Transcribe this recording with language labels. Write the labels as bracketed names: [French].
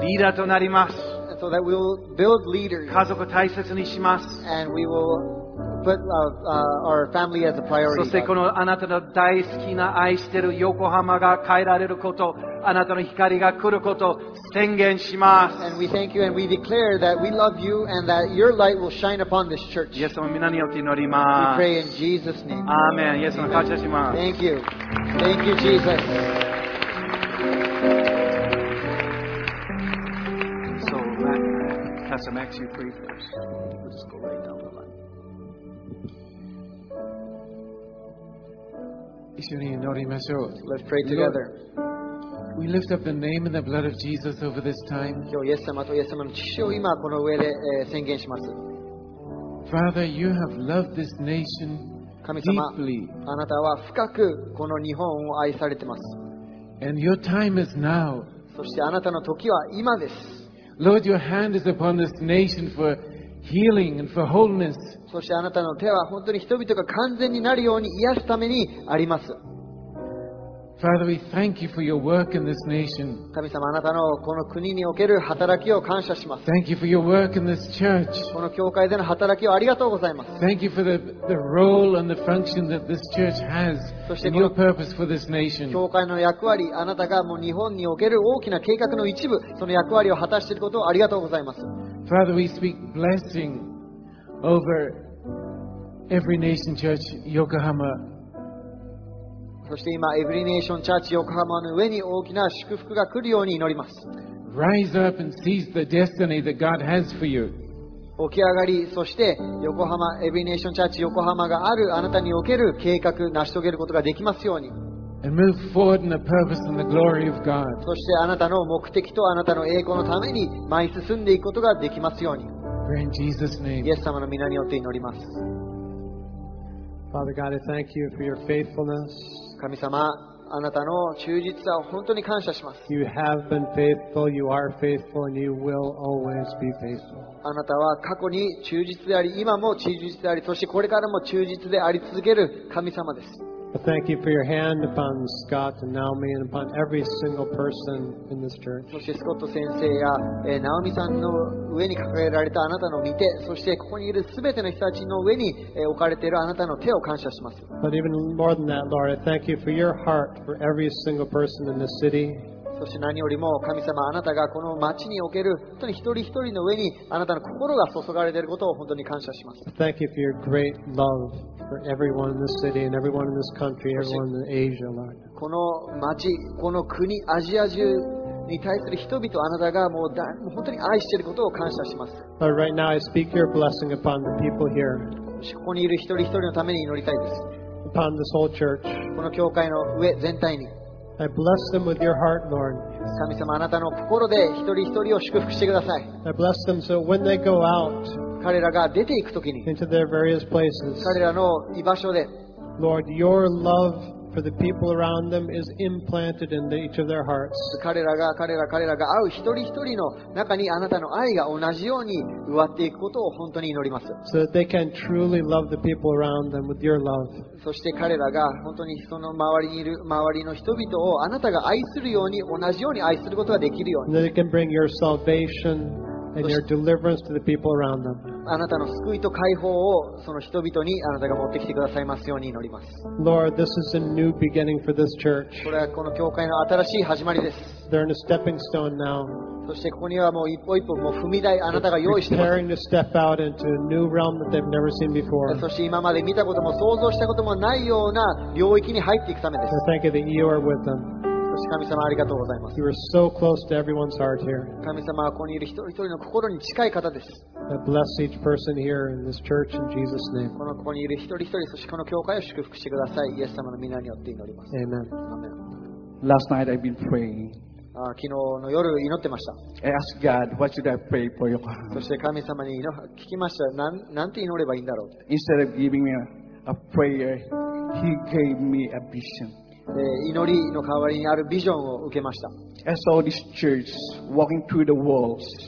[Japanese] リーダーとなります。 [English] And so that we will build leaders. [Japanese] 家族を大切にします。 [English] And we will put our family as a priority. [Japanese] そしてこのあなたの大好きな愛してる横浜が変えられること、あなたの光が来ること宣言します。 [English] And we thank you and we declare that we love you and that your light will shine upon this church. [Japanese] イエス様の名によって祈ります。 [English] We pray in Jesus' name. [Japanese] アーメン。 イエス様感謝します。 [English] Thank you. Thank you, Jesus. So, Pastor Max, you pray first. Let's go right down the line. Let's pray together. Let's pray together. We lift up the name and the blood of Jesus over this time. Father, you have loved this nation deeply. [Japanese] あなたは深くこの日本を愛されてます。 [English] And your time is now. [Japanese] そしてあなたの時は今です。 [English] Lord, your hand is upon this nation for healing and for wholeness. [Japanese] そしてあなたの手は本当に人々が完全になるように癒すためにあります。 [English] Father, we thank you for your work in this nation. [Japanese] 神様、あなたのこの国における働きを感謝します。 [English] Thank you for your work in this church. [Japanese] この教会での働きをありがとうございます。 [English] Thank you for the role and the function that this church has in your purpose for this nation. [Japanese] 教会の役割、あなたがもう日本における大きな計画の一部、その役割を果たしていることをありがとうございます。 [English] Father, we speak blessing over every nation church, Yokohama. [Japanese] そして今エブリネーションチャーチ横浜の上に大きな祝福が来るように祈ります。 [English] Rise up and seize the destiny that God has for you. [Japanese] 起き上がり、そして横浜エブリネーションチャーチ横浜があるあなたにおける計画成し遂げることができますように。 [English] And move forward in the purpose and the glory of God. [Japanese] そしてあなたの目的とあなたの栄光のために前に進んでいくことができますように。 [English] In Jesus' name. [Japanese] イエス様の皆によって祈ります。 [English] Father God, I thank you for your faithfulness. [Japanese] 神様、あなたの忠実さを本当に感謝します。 [English] You have been faithful, you are faithful, and you will always be faithful. [Japanese] あなたは過去に忠実であり、今も忠実であり、そしてこれからも忠実であり続ける神様です。 [English] Thank you for your hand upon Scott and Naomi and upon every single person in this church. [Japanese] そしてスコット先生やナオミさんの上に掲げられたあなたの御手、そしてここにいるすべての人たちの上に置かれているあなたの手を感謝します。 [English] But even more than that, Lord, I thank you for your heart for every single person in this city. [Japanese] そして何よりも神様、あなたがこの街における本当に一人一人の上にあなたの心が注がれていることを本当に感謝します。 [English] Thank you for your great love. For everyone in this city and everyone in this country, everyone in Asia, Lord. [Japanese] この街、この国、アジア中に対する人々、あなたがもう本当に愛していることを感謝します。 [English] But right now, I speak your blessing upon the people here. [Japanese] ここにいる一人一人のために祈りたいです。 [English] Upon this whole church. [Japanese] この教会の上全体に。 [English] I bless them with your heart, Lord. [Japanese] 神様、あなたの心で一人一人を祝福してください。 [English] I bless them so when they go out. [Japanese] 彼らが出ていくときに、 [English] Into their various places. [Japanese] 彼らの居場所で、 [English] Lord, your love for the people around them is implanted in each of their hearts. [Japanese] 彼らが会う一人一人の中にあなたの愛が同じように植わっていくことを本当に祈ります。 [English] So that they can truly love the people around them with your love. [Japanese] そして彼らが本当にその周りの人々をあなたが愛するように同じように愛することができるように。 [English] And that they can bring your salvation. And your deliverance to the people around them. [Japanese] あなたの救いと解放をその人々にあなたが持ってきてくださいますように祈ります。 [English] Lord, this is a new beginning for this church. [Japanese] これはこの教会の新しい始まりです。 [English] They're in a stepping stone now. [Japanese] そしてここにはもう一歩一歩もう踏み台あなたが用意しています。 [English] Preparing to step out into a new realm that they've never seen before. [Japanese] そして今まで見たことも想像したこともないような領域に入っていくためです。 [English] And thank you that you are with them. [Japanese] 神様ありがとうございます。 [English] You are so close to everyone's heart here. [Japanese] 神様はここにいる一人一人の心に近い方です。 [English] I bless each person here in this church in Jesus' name. [Japanese] このここにいる一人一人、そしてこの教会を祝福してください。イエス様の皆によって祈ります。 [English] Amen. Amen. Last night I've been praying. [Japanese] 昨日の夜祈ってました。 [English] I ask God, what should I pray for you? [Japanese] そして神様に聞きました。なんて祈ればいいんだろう。 [English] Instead of giving me a prayer, He gave me a vision. [Japanese] 祈りの代わりにあるビジョンを受けました。 [English] I saw this church walking through the walls.